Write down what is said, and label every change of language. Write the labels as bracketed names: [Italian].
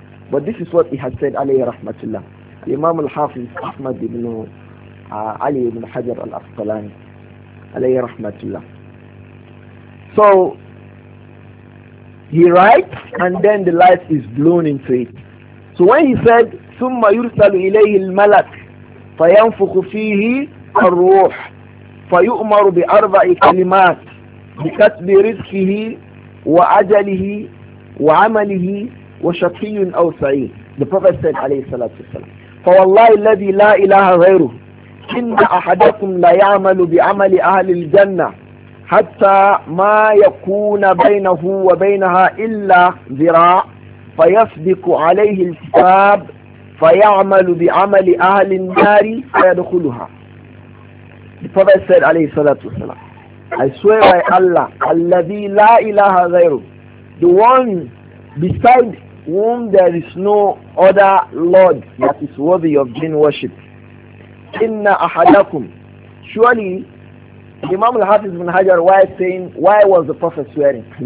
[English] But this is what he has said alayhi rahmatullah. Imam al-Hafiz Ahmad ibn Ali ibn Hajar al-Asqalani alayhi rahmatullah. So he writes and then the light is blown into it. So when he said [Arabic] ثُمَّ يُرْسَلُ إِلَيْهِ الْمَلَكِ فَيَنْفُخُ فِيهِ الْرُوحِ فَيُؤْمَرُ بِأَرْبَعِ كَلِمَاتِ بِكَتْبِ رِزْكِهِ وَعَجَلِهِ وَعَمَلِهِ وَشَقِيٌّ أَوْ سَعِيدٌ. [English] The Prophet said [Arabic] عليه الصلاة والسلام فَوَاللَّهِ الَّذِي لَا إِلَهَ غَيْرُهُ إِنَّ أَحَدَكُمْ لَيَعْمَلُ بِعَمَلِ أَهْلِ الْجَنَّةِ حتى ما يكون بينه وبينها إلا ذراع فيسبق عليه الكتاب فيعمل بعمل أهل النار فيدخلها. [English] The Prophet said عليه الصلاة والسلام, I swear by Allah [Arabic] الذي لا إله غيره, [English] the one beside whom there is no other Lord that is worthy of jinn worship. [Arabic] إن أحدكم, [English] surely Imam al-Hafiz ibn Hajar, why saying, why was the Prophet swearing?